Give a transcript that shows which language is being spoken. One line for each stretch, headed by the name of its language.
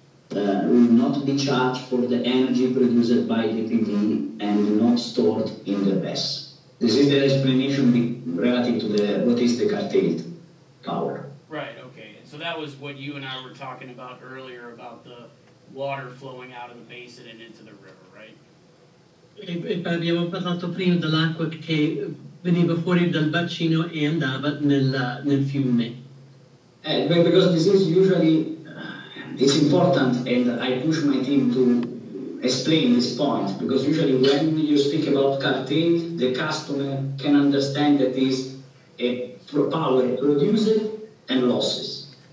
English: Will not be charged for the energy produced by the PV and not stored in the BESS. This is the explanation relative to the what is the curtailed power. Right, okay. So that was what you and I were talking about earlier about the water flowing out of the basin and into the river, right?
Italian: Abbiamo parlato prima dell'acqua che veniva fuori dal bacino e andava nel fiume.
English: Because this is usually it's important, and I push my team to explain this point, because usually when you speak about curtailed, the customer can understand that it's a power produced and losses.